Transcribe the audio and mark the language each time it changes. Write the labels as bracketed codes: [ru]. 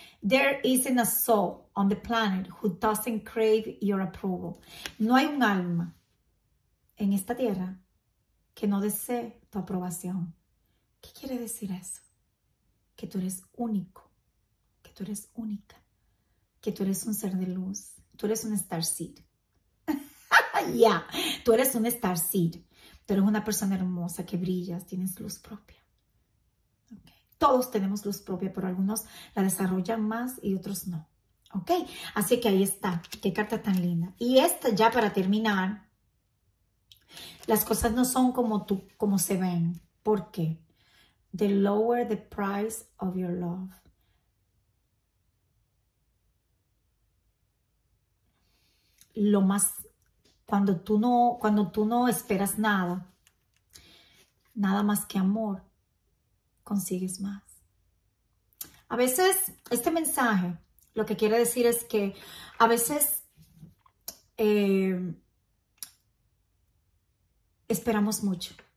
[en] There isn't a soul on the planet who doesn't crave your approval. [es] No hay un alma en esta tierra que no desee tu aprobación. ¿Qué quiere decir eso? Que tú eres único, que tú eres única, que tú eres un ser de luz, tú eres un starseed. Yeah, tú eres un starseed. Tú eres una persona hermosa que brillas, tienes luz propia. Todos tenemos luz propia, pero algunos la desarrollan más y otros no. ¿Ok? Así que ahí está. Qué carta tan linda. Y esta ya para terminar. Las cosas no son como se ven. ¿Por qué? [en] The lower the price of your love. [es] Lo más, cuando tú no esperas nada, nada más que amor, consigues más. A veces, este mensaje lo que quiere decir es que a veces esperamos mucho.